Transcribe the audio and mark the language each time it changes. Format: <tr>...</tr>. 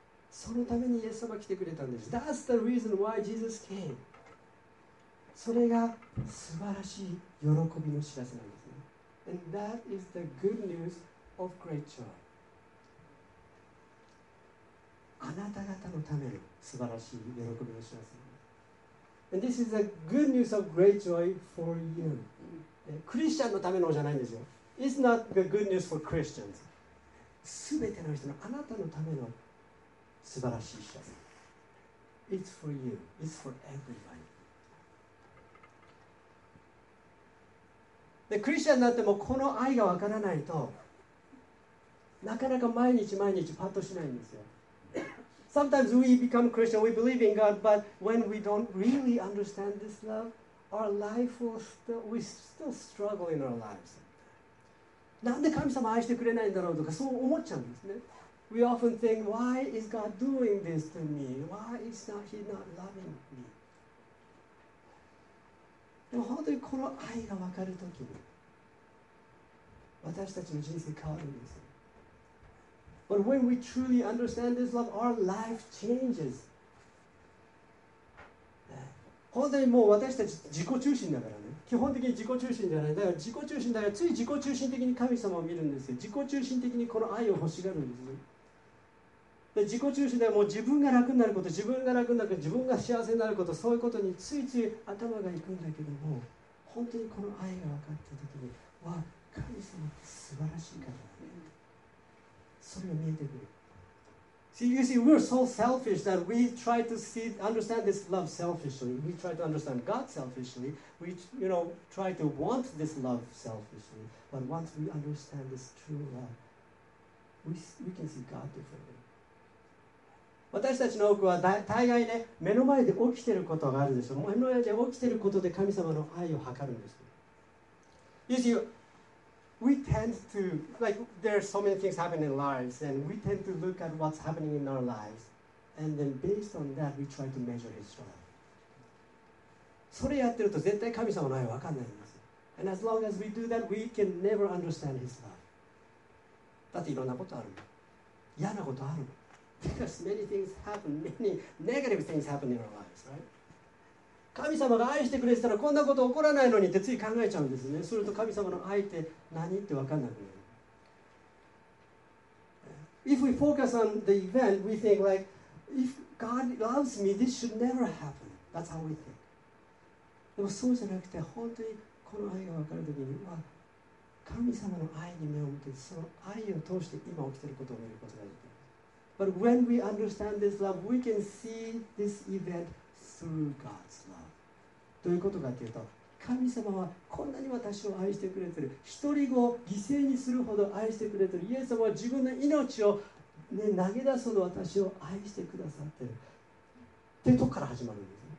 <ja>そのためにイエス様が来てくれたんです。</ja> <en>That's the reason why Jesus came.</en> <ja>それが素晴らしい喜びの知らせなんですね。</ja> <en>And that is the good news of great joy.</en> <ja>あなた方のための素晴らしい喜びの知らせ。</ja> <en>And this is the good news of great joy for you.</en> <ja>クリスチャンのためのじゃないんですよ。</ja> <en>It's not the good news for Christians.</en> <ja>全ての人のあなたのための素晴らしい知らせ。</ja> <en>It's for you. It's for everybody.</en> <ja>でクリスチャンになってもこの愛がわからないとなかなか毎日毎日パッとしないんですよ。</ja> <en>Sometimes we become Christian, we believe in God, but when we don't really understand this love,Our life will still, we still struggle in our lives.</en> <ja>なんで神様愛してくれないんだろうとかそう思っちゃうんですね。</ja> <en>We often think, why is God doing this to me? Why is not He not loving me?</en> <ja>でも本当にこの愛が分かるときに私たちの人生変わるんです。</ja> <en>But when we truly understand this love, our life changes.</en> <ja>本当にもう私たち自己中心だからね。基本的に自己中心じゃない。だから自己中心だからつい自己中心的に神様を見るんですよ。自己中心的にこの愛を欲しがるんですで自己中心ではもう自分が楽になること、自分が楽になること、自分が幸せになること、そういうことについつい頭がいくんだけども、本当にこの愛が分かったときに、わあ、神様って素晴らしい方だね。それが見えてくる。</ja> <en>See, you see, we're so selfish that we try to see, understand this love selfishly. We try to understand God selfishly. We, you know, try to want this love selfishly. But once we understand this true love, we can see God differently.</en> <ja>私たちの多くは大概ね、目の前で起きてることがあるでしょ。目の前で起きてることで神様の愛を測るんです。</ja> <en>You see, We tend to, like, there are so many things happening in lives, and we tend to look at what's happening in our lives, and then based on that, we try to measure His love.</en> <ja>それやってると絶対神様の愛わかんないんです。</ja> <en>And as long as we do that, we can never understand His love.</en> <ja>だっていろんなことある。嫌なことある。</ja> <en>Because many things happen, many negative things happen in our lives, right?</en> <ja>神様が愛してくれてたらこんなこと起こらないのにってつい考えちゃうんですね。すると神様の愛って何って分かんなくなる。</ja> <en>If we focus on the event, we think like, if God loves me, this should never happen. That's how we think.</en> <ja>でもそうじゃなくて、本当にこの愛が分かるときには、神様の愛に目を向けて、その愛を通して今起きていることを見ることができる。</ja> <en>But when we understand this love, we can see this eventThrough God's love.</en> <ja>どういうことかというと、神様はこんなに私を愛してくれてる、一人を犠牲にするほど愛してくれてる、イエス様は自分の命を、ね、投げ出すほど私を愛してくださってる。ってとこから始まるんですね。</ja>